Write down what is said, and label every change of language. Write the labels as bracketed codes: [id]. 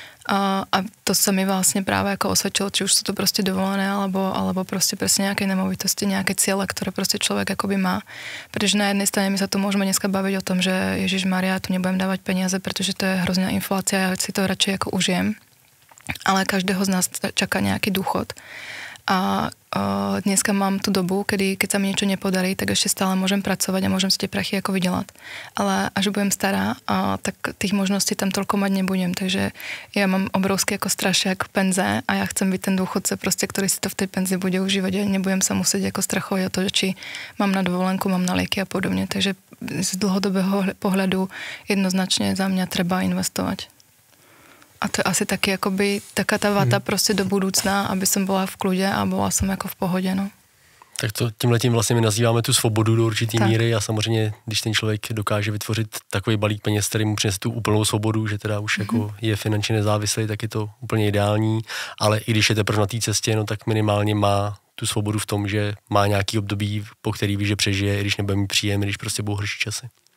[cs] A to se mi vlastně právě jako osvědčilo, či už jsou to prostě dovolené, alebo prostě přesně nějaké nemovitosti, nějaké cíle, které prostě člověk jakoby má. Protože na jedné straně my se tu můžeme dneska bavit o tom, že Ježíš Maria, tu nebudem dávat peníze, protože to je hrozná inflace, já si to radši jako užijem. Ale každého z nás čeká nějaký důchod. [sk] A dneska mám tu dobu, kedy keď sa mi niečo nepodarí, tak ešte stále môžem pracovať a môžem si tie prachy ako vydelať. [cs] Ale až budem stará, [sk] tak tých možností tam toľko mať nebudem. Takže ja mám obrovský ako strašiak penze a ja chcem byť ten dôchodce, proste, ktorý si to v tej penzi bude užívať a nebudem sa musieť ako strachovať o to, či mám na dovolenku, mám na lieky a podobne. Takže z dlhodobého pohľadu jednoznačne za mňa treba investovať. [cs] A to je asi taky jakoby taká ta vata prostě do budoucna, aby jsem byla v klidě a byla jsem jako v pohodě, no. Tak to tímhletím vlastně my nazýváme tu svobodu do určitý míry a samozřejmě, když ten člověk dokáže vytvořit takový balík peněz, který mu přinese tu úplnou svobodu, že teda už jako je finančně nezávislý, tak je to úplně ideální, ale i když je teprve na té cestě, no tak minimálně má tu svobodu v tom, že má nějaký období, po který ví, že přežije, i když nebude mít příjem, když prostě budou horší časy.